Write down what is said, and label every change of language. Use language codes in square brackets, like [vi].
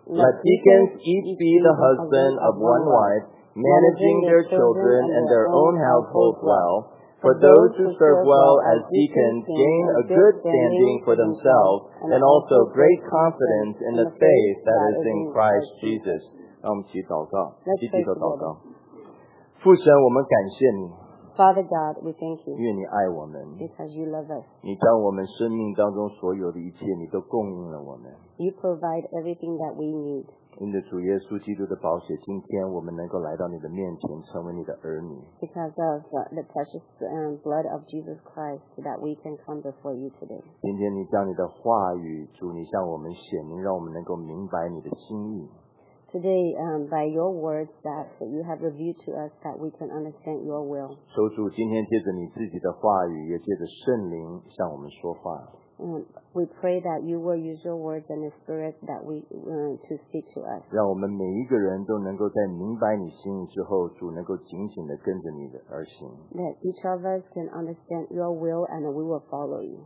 [en] Let deacons each be the husband of one wife, managing their children and their own household well,For those who serve well as deacons gain a good standing for themselves and also great confidence in the faith that is in Christ Jesus. [zh] 让我们一起祷告，一起做祷告。父神，我们感谢你。 [en] Father God, we thank you. [zh] 因为你爱我们。 [en] Because you love us. [zh] 你将我们生命当中所有的一切，你都供应了我们。 [en] You provide everything that we need. [zh] 因着主耶稣基督的宝血，今天我们能够来到你的面前，成为你的儿女。 [en] Because of the precious blood of Jesus Christ, that we can come before you today. [zh] 今天你将你的话语，主你向我们显明，让我们能够明白你的心意。 [en] Today, by your words that you have revealed to us, that we can understand your will. [zh] 求主今天借着你自己的话语，也借着圣灵向我们说话。 [en] We pray that you will use your words and the spirit that we to speak to us. [zh] 让我们每一个人都能够在明白你心意之后，主能够警醒地跟着你的而行。 [en] That each of us can understand your will and we will follow you.